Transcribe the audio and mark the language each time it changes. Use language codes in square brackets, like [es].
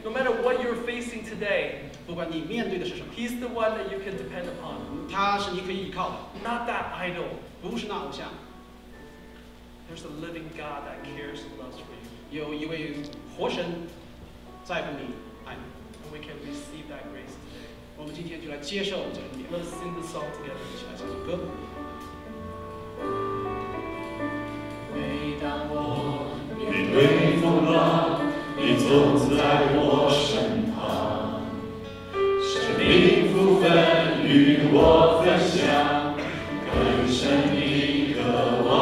[en] No matter what you're facing today, [zh] 不管你面对的是什么， [en] He's the one that you can depend upon. [zh] 他是你可以依靠的。 [en] Not that idol. [zh] 不是那偶像。 [en] There's a living God that cares and loves for you. [zh] 有一位活神在乎你，爱你。 [en] And we can receive that grace today. [zh] 我们今天就来接受这恩典。 [en] Let's sing the song together. [zh] 一起来唱首歌。每当我面对风浪，你总在我身旁，生命部分与我分享，更深一个梦。